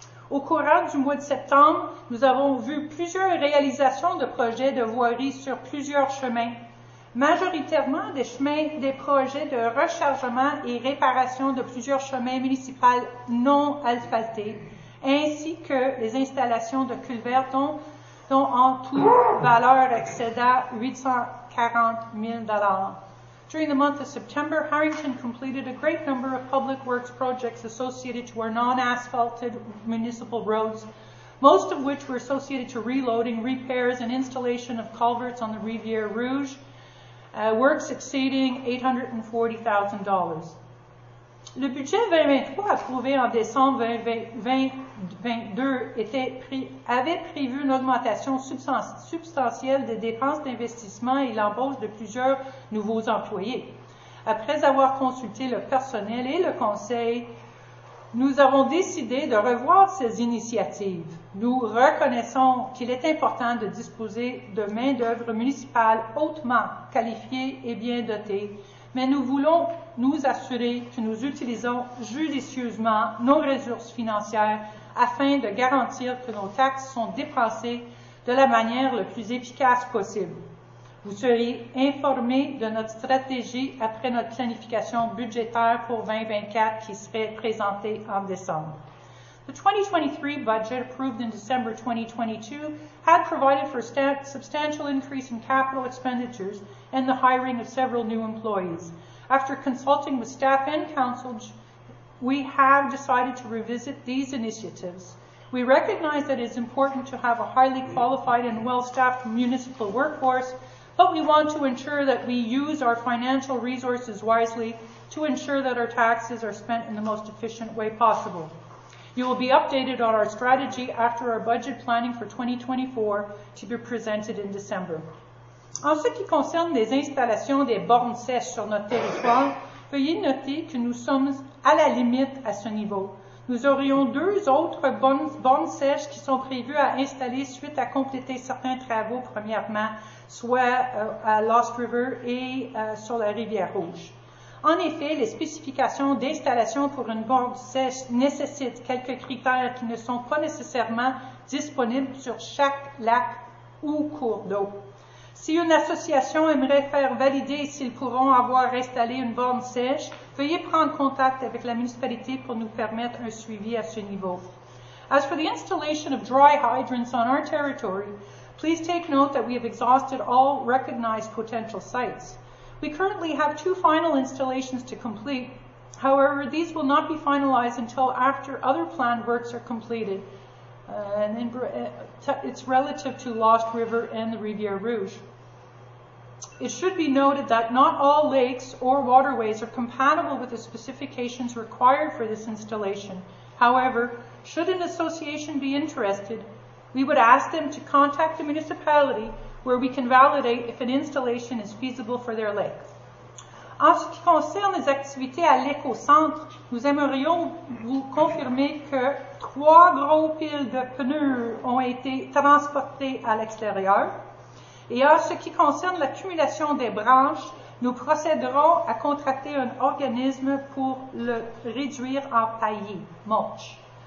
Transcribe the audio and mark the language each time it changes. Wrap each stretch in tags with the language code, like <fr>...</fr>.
<fr>Au courant du mois de septembre, nous avons vu plusieurs réalisations de projets de voirie sur plusieurs chemins, majoritairement des chemins des projets de rechargement et réparation de plusieurs chemins municipaux non asphaltés, ainsi que les installations de culverts dont en tout valeur excédant 840 000 $.</fr> <en>During the month of September, Harrington completed a great number of public works projects associated to our non-asphalted municipal roads, most of which were associated to reloading, repairs, and installation of culverts on the Rivière Rouge, works exceeding $840,000.</en> <fr>Le budget 2023 approuvé en décembre 2022 avait prévu une augmentation substantielle des dépenses d'investissement et l'embauche de plusieurs nouveaux employés. Après avoir consulté le personnel et le conseil, nous avons décidé de revoir ces initiatives. Nous reconnaissons qu'il est important de disposer de main-d'œuvre municipale hautement qualifiée et bien dotée, mais nous voulons nous assurer que nous utilisons judicieusement nos ressources financières afin de garantir que nos taxes sont dépensées de la manière la plus efficace possible. Vous serez informé de notre stratégie après notre planification budgétaire pour 2024 qui serait présentée en décembre.</fr> <en>The 2023 budget approved in December 2022 had provided for a substantial increase in capital expenditures and the hiring of several new employees. After consulting with staff and council, we have decided to revisit these initiatives. We recognize that it is important to have a highly qualified and well-staffed municipal workforce, but we want to ensure that we use our financial resources wisely to ensure that our taxes are spent in the most efficient way possible. You will be updated on our strategy after our budget planning for 2024 to be presented in December.</en> <fr>En ce qui concerne les installations des bornes sèches sur notre territoire, veuillez noter que nous sommes à la limite à ce niveau. Nous aurions deux autres bornes sèches qui sont prévues à installer suite à compléter certains travaux premièrement, soit à Lost River et sur la Rivière Rouge. En effet, les spécifications d'installation pour une borne sèche nécessitent quelques critères qui ne sont pas nécessairement disponibles sur chaque lac ou cours d'eau. Si une association aimerait faire valider s'ils pourront avoir installé une borne sèche, veuillez prendre contact avec la municipalité pour nous permettre un suivi à ce niveau.</fr> <en>As for the installation of dry hydrants on our territory, please take note that we have exhausted all recognized potential sites. We currently have two final installations to complete. However, these will not be finalized until after other planned works are completed, it's relative to Lost River and the Rivière Rouge. It should be noted that not all lakes or waterways are compatible with the specifications required for this installation. However, Should an association be interested, we would ask them to contact the municipality where we can validate if an installation is feasible for their lake.</en> <fr>En ce qui concerne les activités à l'éco-centre, nous aimerions vous confirmer que 3 gros piles de pneus ont été transportées à l'extérieur. Et en ce qui concerne l'accumulation des branches, nous procéderons à contracter un organisme pour le réduire en taillis, mulch.</fr>